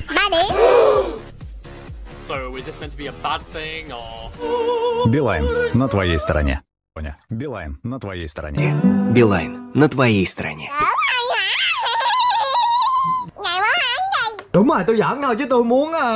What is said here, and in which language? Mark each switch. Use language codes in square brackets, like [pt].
[en] So, is this meant to be a bad thing, or...? [ru] Билайн, на твоей стороне. Понял. Билайн, на твоей стороне. Билайн, на твоей стороне. [vi] Đúng rồi, tôi giỡn thôi chứ tôi muốn...